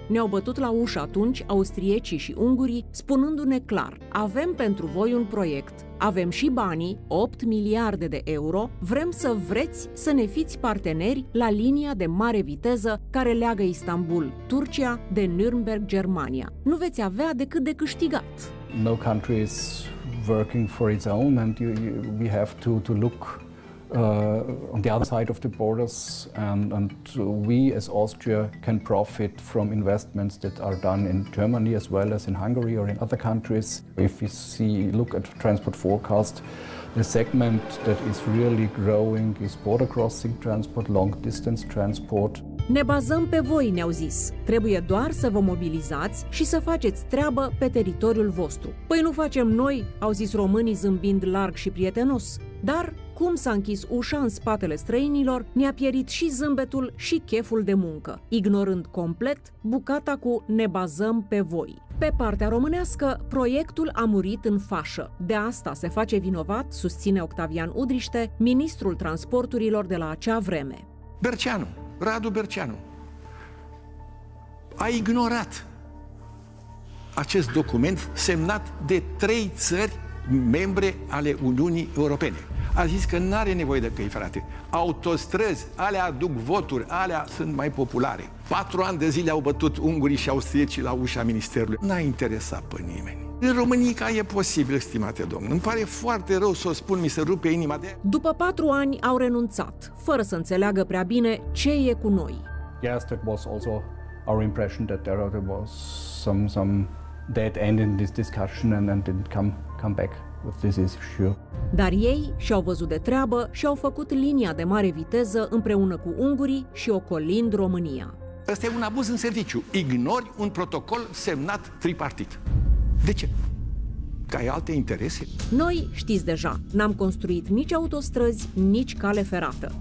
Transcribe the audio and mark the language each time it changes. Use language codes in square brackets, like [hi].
[ro] Ne-au bătut la ușă atunci austriecii și ungurii, spunându-ne clar: avem pentru voi un proiect, avem și banii, 8 miliarde de euro, vrem să vreți să ne fiți parteneri la linia de mare viteză care leagă Istanbul, Turcia, de Nürnberg, Germania. Nu veți avea decât de câștigat. [en] No country is working for its own, and we have to look on the other side of the borders, and we as Austria can profit from investments that are done in Germany as well as in Hungary or in other countries. If we look at transport forecast, the segment that is really growing is border crossing transport, long distance transport. [ro] Ne bazăm pe voi, ne-au zis. Trebuie doar să vă mobilizați și să faceți treabă pe teritoriul vostru. Păi nu facem noi, au zis românii zâmbind larg și prietenos. Dar cum s-a închis ușa în spatele străinilor, ne-a pierit și zâmbetul și cheful de muncă, ignorând complet bucata cu ne bazăm pe voi. Pe partea românească, proiectul a murit în fașă. De asta se face vinovat, susține Octavian Udriște, ministrul transporturilor de la acea vreme. Berceanu. Radu Berceanu a ignorat acest document semnat de trei țări membre ale Uniunii Europene. A zis că n-are nevoie de căi ferate. Autostrăzi, alea aduc voturi, alea sunt mai populare. 4 ani de zile au bătut ungurii și austriecii la ușa ministerului. N-a interesat pe nimeni. În România e posibil, stimate domn. Îmi pare foarte rău să o spun, mi se rupe inima de... După 4 ani au renunțat, fără să înțeleagă prea bine ce e cu noi. [en] Yes, that was also our impression that there was some dead end in this discussion and then didn't come back with this issue. [ro] Dar ei și-au văzut de treabă și au făcut linia de mare viteză împreună cu ungurii și ocolind România. Ăsta e un abuz în serviciu. Ignori un protocol semnat tripartit. De ce? Că ai alte interese? Noi, știți deja, n-am construit nici autostrăzi, nici cale ferată.